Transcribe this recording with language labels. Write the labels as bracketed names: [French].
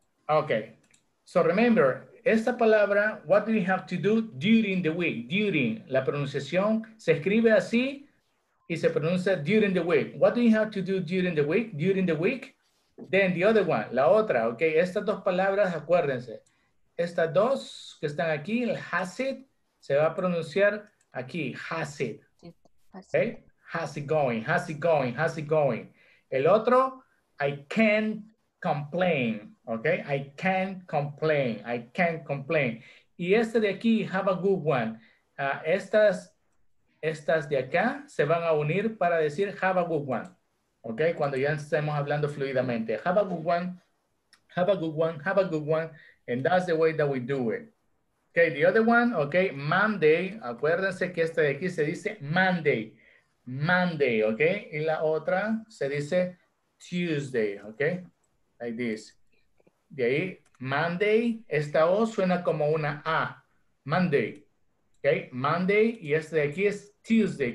[English] Okay, so remember, [Spanish] esta palabra, [English] what do you have to do during the week? [Spanish] During, la pronunciación se escribe así y se pronuncia [English] during the week. What do you have to do during the week? During the week. Then the other one, [Spanish] la otra, [English] okay? [Spanish] Estas dos palabras, acuérdense. Estas dos que están aquí, el has it, se va a pronunciar aquí, has it. [English] Okay? Has it going, has it going, has it going. [Spanish] El otro, [English] I can't complain. Okay, I can't complain, I can't complain. [Spanish] Y este de aquí, [English] have a good one. [Spanish] Estas de acá se van a unir para decir have a good one. Okay, cuando ya estemos hablando fluidamente. [English] Have a good one, have a good one, have a good one. And that's the way that we do it. Okay, the other one, okay, Monday. [Spanish] Acuérdense que esta de aquí se dice Monday. [English] Monday, okay? [Spanish] Y la otra se dice Tuesday, [English] okay? Like this. [Spanish] De ahí, Monday, esta O suena como una A. [English] Monday, okay? Monday, [Spanish] y esta de aquí es Tuesday.